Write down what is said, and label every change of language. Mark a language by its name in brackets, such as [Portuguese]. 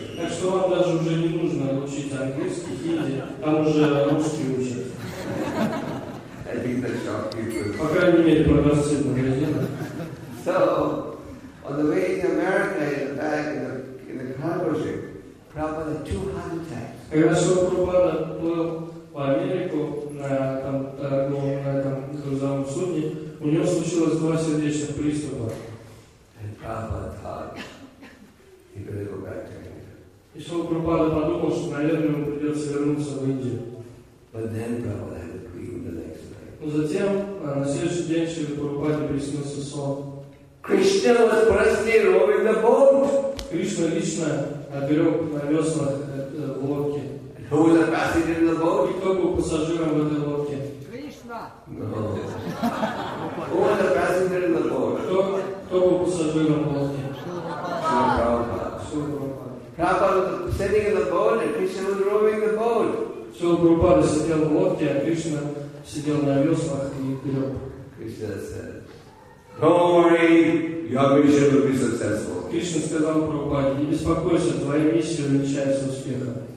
[Russian] Что вам даже уже не нужно учить английский, хинди, там уже русский учат. По крайней мере, продавцы в магазинах. [English] So, on the way to America, in the back, in the cargo ship, Prabhupada had two heart attacks. [Russian] Когда Шрила Прабхупада плыл в Америку на грузовом судне, у него случилось два сердечных приступа. [English] And Prabhupada thought he better go back to India. [Russian] И Шрила Прабхупада подумал, что, наверное, ему придется вернуться в Индию. [English] But then Prabhupada had a dream the next night. [Russian] Но затем, на следующий день, Шрила Прабхупаде приснился сон. [English] Krishna was personally rowing the boat. [Russian] Кришна лично оберег на веслах в лодке. [English] Who was the passenger in the boat? [Russian] И кто был пассажиром в этой лодке? Кришна. [English] No. Who was the passenger in the boat? [Russian] Кто был пассажиром в лодке? Шрила Прабхупада. [English] Sitting in the boat and Krishna was rowing the boat. [Russian] Шрила Прабхупада сидел в лодке, а Кришна сидел на веслах и берег. [English] Кришна said, don't worry, your mission will be successful. [Russian] Кришна сказал Прабхупаде, не беспокойся, твоя миссия увенчается успехом.